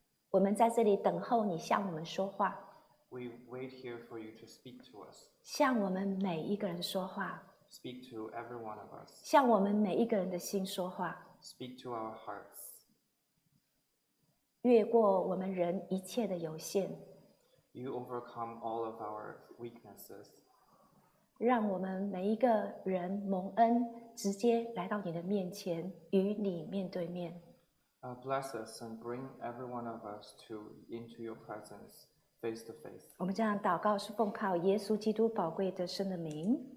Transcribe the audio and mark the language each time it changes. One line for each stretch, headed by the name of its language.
Chinese: 我们在这里等候你向我们说话。
English: We wait here for you to speak to us.
Chinese: 向我们每一个人说话。
English: Speak to every one of us.
Chinese: 向我们每一个人的心说话。
English: Speak to our hearts.
Chinese: 越过我们人一切的有限。
English: You overcome all of our weaknesses.
Chinese: 让我们每一个人蒙恩，直接来到你的面前，与你面对面。
English: Bless us and bring every one of us to into your presence, face to face.
Chinese: 我们这样祷告是奉靠耶稣基督宝贵的圣的名。